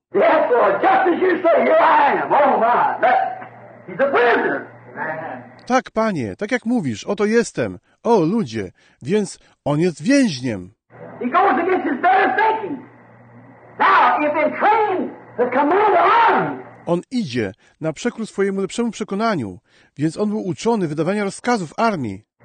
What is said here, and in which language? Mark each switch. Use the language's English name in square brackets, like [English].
[English] Yes, Lord, just as you say, here I am. Oh my, he's a prisoner. [Polish] Tak, Panie, tak jak mówisz, oto jestem. O, ludzie, więc on jest więźniem. [English] He goes against his better thinking. Now, if he's trained to command the army. [Polish] On idzie na przekór swojemu lepszemu przekonaniu, więc on był uczony wydawania rozkazów armii.